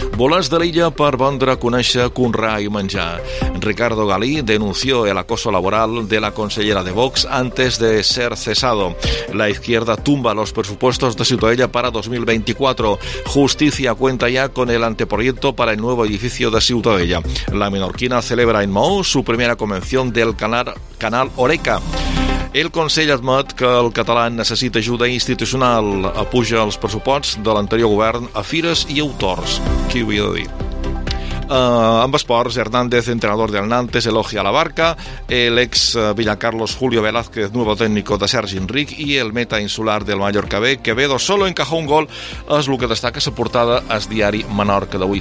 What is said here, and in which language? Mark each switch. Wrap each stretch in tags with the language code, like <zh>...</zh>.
<ca>Volants de l'illa per vendre, conèixer, conrar i menjar.</ca> <es>Ricardo Galí denunció el acoso laboral de la consellera de Vox antes de ser cesado. La izquierda tumba los presupuestos de Ciutadella para 2024. Justicia cuenta ya con el anteproyecto para el nuevo edificio de Ciutadella. La menorquina celebra en Mou su primera convención del canal Horeca.</es> <ca>El Consell admet que el català necessita ajuda institucional. Apuja els pressupostos de l'anterior govern a fires i autors. Qui ho havia de dir? Amb esports, Hernández, entrenador del Nantes, elogia la Barca, el ex Villacarlos Julio Velázquez,</ca> <es>nuevo técnico de Sergi Enric,</es> <ca>i el meta insular del Mallorca B, Quevedo,</ca> <es>solo encajó un gol,</es> <ca>és el que destaca la portada al diari Menorca d'avui.</ca>